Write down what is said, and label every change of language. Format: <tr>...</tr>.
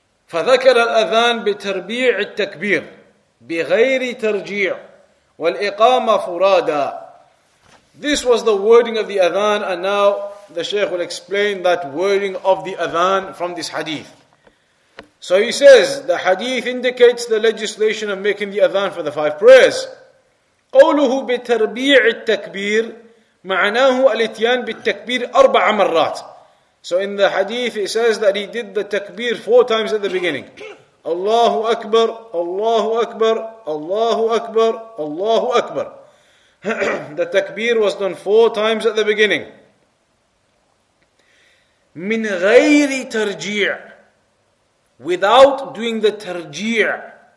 <ar>فَذَكَرَ الْأَذَانِ بِتَرْبِيعِ التَّكْبِيرِ بِغَيْرِ تَرْجِيعِ وَالْإِقَامَ فُرَادًا.</ar> <en>This was the wording of the adhan, and now the Shaykh will explain that wording of the adhan from this hadith. So he says, the hadith indicates the legislation of making the adhan for the five prayers.</en> <ar>قَوْلُهُ بِتَرْبِيعِ التَّكْبِيرِ معناه الاتيان بالتكبير أربع مرات.</ar> <en>So in the hadith it says that he did the takbir four times at the beginning.</en> <ar>Allahu Akbar, Allahu Akbar, Allahu Akbar, Allahu Akbar.</ar> <en>The takbir was done four times at the beginning.</en> <ar>من غير ترجيع,</ar> <en>without doing the</en> <ar>ترجيع.</ar>